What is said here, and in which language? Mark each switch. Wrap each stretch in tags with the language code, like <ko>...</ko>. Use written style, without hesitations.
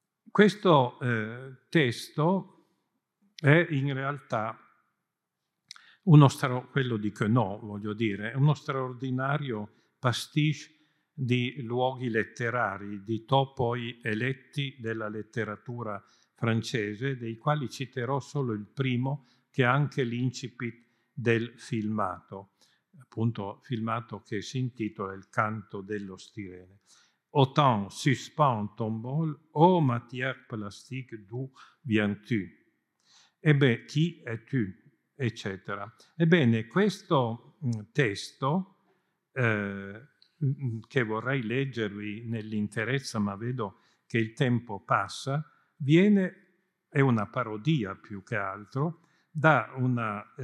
<it>Questo testo è in realtà uno quello di Queneau, voglio dire, è uno straordinario pastiche di luoghi letterari, di topoi eletti della letteratura francese, dei quali citerò solo il primo, che è anche l'incipit del filmato, appunto filmato che si intitola Il canto dello stirene.</it> <fr>Autant suspend ton bol, ô matière plastique, d'où viens-tu?</fr> <it>Ebbene, chi è tu? Eccetera. Ebbene, questo testo, che vorrei leggervi nell'interezza, ma vedo che il tempo passa, viene, è una parodia più che altro, da una</it>